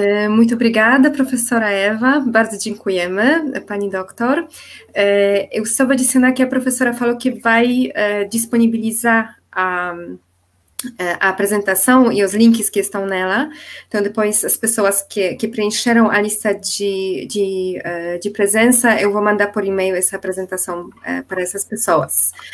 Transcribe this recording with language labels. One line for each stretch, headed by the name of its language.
Portuguese: Muito obrigada, professora Eva.
Polish: Bardzo dziękujemy, pani doktor.
Portuguese: Eu estava dizendo que a professora falou que vai disponibilizar a apresentação e os links que estão nela. Então, depois, as pessoas que preencheram a lista de presença, eu vou mandar por e-mail essa apresentação para essas pessoas.